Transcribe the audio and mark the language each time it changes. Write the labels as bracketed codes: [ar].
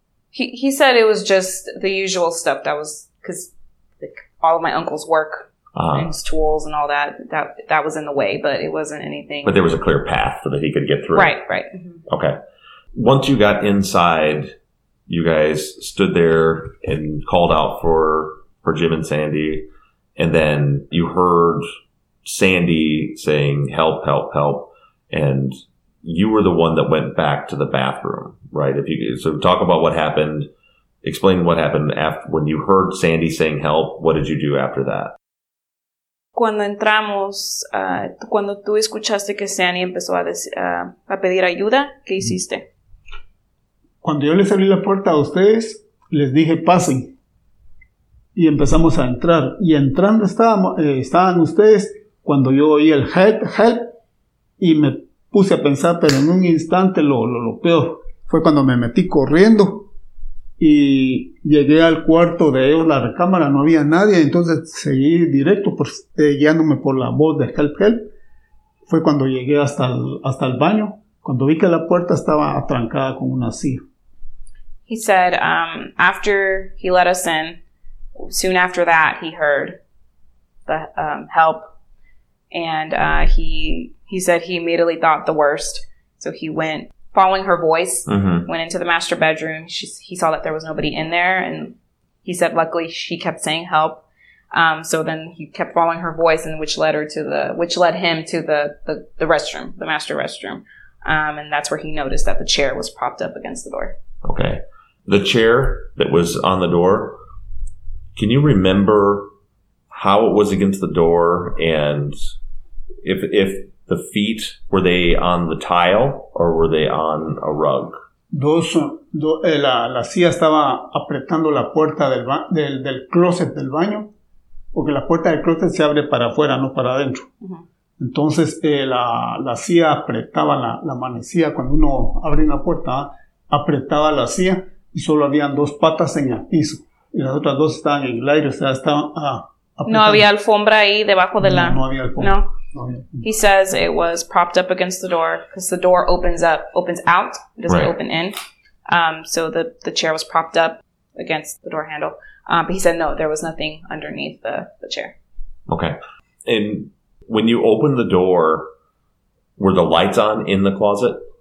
[en] He said it was just the usual stuff that was, because like, all of my uncle's work, his tools and all that was in the way, but it wasn't anything. But there was a clear path so that he could get through. Right, right. Mm-hmm. Okay. Once you got inside, you guys stood there and called out for Jim and Sandy, and then you heard Sandy saying, help, help, help, and you were the one that went back to the bathroom. Right. If you so talk about what happened, explain what happened after when you heard Sandy saying help. What did you do after that? [es] Cuando entramos, cuando tú escuchaste que Sandy empezó a pedir ayuda, ¿qué hiciste? Cuando yo les abrí la puerta a ustedes, les dije pasen y empezamos a entrar. Y entrando estaban ustedes cuando yo oí el [en] help, help, [es] y me puse a pensar, pero en un instante lo peor. Fue cuando me metí corriendo y llegué al cuarto de ellos, la recámara, no había nadie. Entonces seguí directo, guiándome por la voz de [en] help, help. [es] Fue cuando llegué hasta el baño, cuando vi que la puerta estaba atrancada con una silla. [en] He said, after he let us in, soon after that he heard the help. And he said he immediately thought the worst. So he went. Following her voice, mm-hmm. went into the master bedroom. He saw that there was nobody in there, and he said, luckily, she kept saying help. So then he kept following her voice, and which led him to the restroom, the master restroom. And that's where he noticed that the chair was propped up against the door. Okay. The chair that was on the door, can you remember how it was against the door, and if the feet, were they on the tile or were they on a rug? [es] La silla estaba apretando la puerta del closet del baño, porque la puerta del closet se abre para afuera, no para adentro. Uh-huh. Entonces, la silla apretaba la manecilla cuando uno abre una puerta, apretaba la silla y solo habían dos patas en el piso. Y las otras dos estaban en el aire, o sea, estaban apretando. No había alfombra ahí debajo de la... No había alfombra. No. [en] He says it was propped up against the door because the door opens out, it doesn't right. open in. So the chair was propped up against the door handle. But he said no, there was nothing underneath the chair. Okay. And when you opened the door, were the lights on in the closet?